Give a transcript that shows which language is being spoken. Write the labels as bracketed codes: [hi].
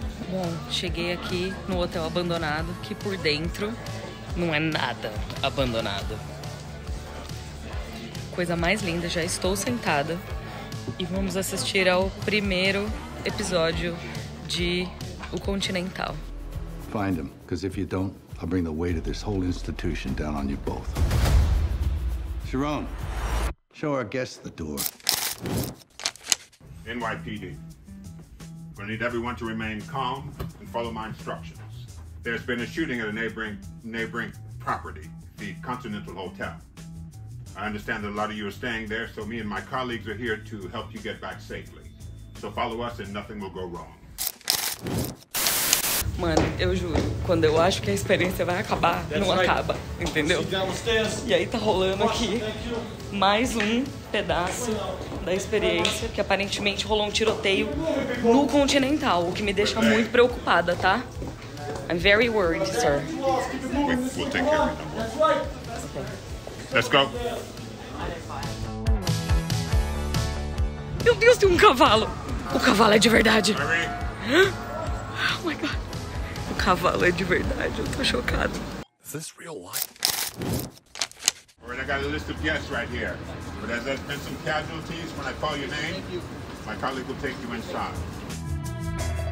[pt] Bom, cheguei aqui no hotel abandonado, que por dentro não é nada abandonado. Coisa mais linda, já estou sentada. E vamos assistir ao primeiro episódio de O Continental. [en] Find him, because if you don't, I'll bring the weight of this whole institution down on you both. Sharon, show our guests the door. NYPD, we need everyone to remain calm and follow my instructions. There's been a shooting at a neighboring property, the Continental Hotel. I understand that a lot of you are staying there, so me and my colleagues are here to help you get back safely. So follow us and nothing will go wrong. [pt] Mano, eu juro, quando eu acho que a experiência vai acabar, não acaba, entendeu? E aí tá rolando aqui mais um pedaço da experiência, que aparentemente rolou um tiroteio no Continental, o que me deixa muito preocupada, tá? [en] I'm very worried, sir. We'll take care of it. Let's go. [pt] Meu Deus, tem um cavalo! O cavalo é de verdade! [en] Oh my God! [pt] O cavalo é de verdade, eu tô chocado. [en] Is this real life? Alright, I got a list of guests right here. But as there's been some casualties, when I call your name, my colleague will take you inside.